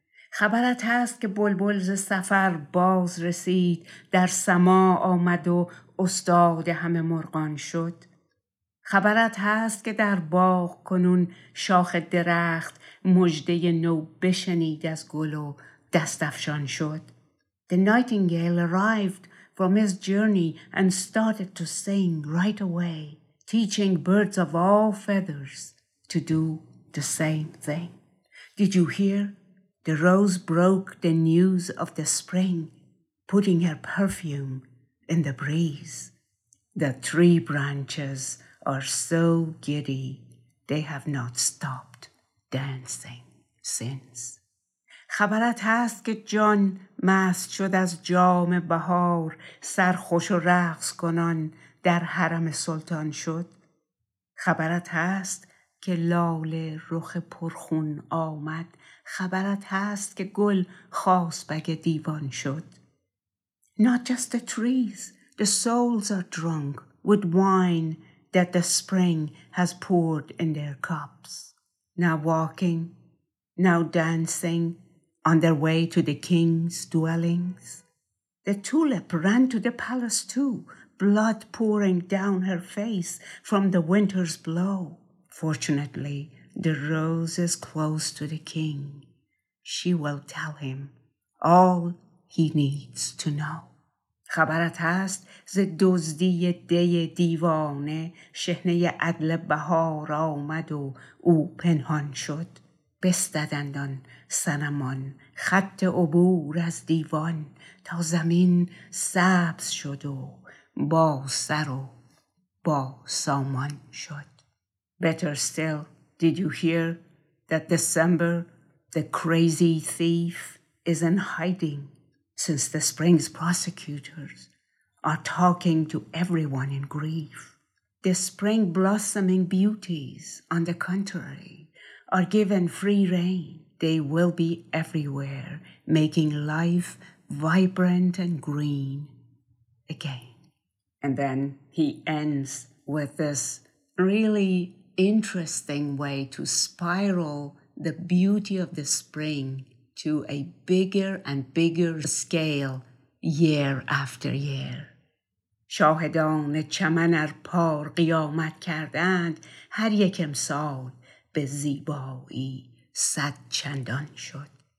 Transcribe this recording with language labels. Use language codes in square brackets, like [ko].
[fa] خبرت هست که بلبل ز سفر باز رسید در سما آمد و استاد همه مرغان شد. خبرت هست که در باغ کنون شاخ درخت مژده نو بشنید از گل و دست افشان شد. [en] The nightingale arrived from his journey and started to sing right away, teaching birds of all feathers to do the same thing. Did you hear? The rose broke the news of the spring, putting her perfume in the breeze. The tree branches are so giddy, they have not stopped dancing since. [fa] خبرت هست که جان مست شد از جام بهار سرخوش و رقص کنان در حرم سلطان شد. خبرت هست که لاله رخ پرخون آمد. خبرت هست که گل خاصبگ دیوان شد. [en] Not just the trees, the souls are drunk with wine that the spring has poured in their cups. Now walking, now dancing, on their way to the king's dwellings. The tulip ran to the palace too, blood pouring down her face from the winter's blow. Fortunately, the rose is close to the king. She will tell him all he needs to know. [fa] خبرت هست ز دزدی دی دیوانه شهنه عدل بهار آمد و او پنهان شد. بستدندان سنمان خط عبور از دیوان تا زمین سبز شد و با سر و با سامان شد. [en] Better still, did you hear that December, the crazy thief, is in hiding since the spring's prosecutors are talking to everyone in grief? The spring blossoming beauties, on the contrary, are given free rein. They will be everywhere, making life vibrant and green again. And then he ends with this really interesting way to spiral the beauty of the spring to a bigger and bigger scale year after year. [fa] شاهدان چمن ار پار قیامت کردند هر یک امسال به زیبایی صد چندان شد.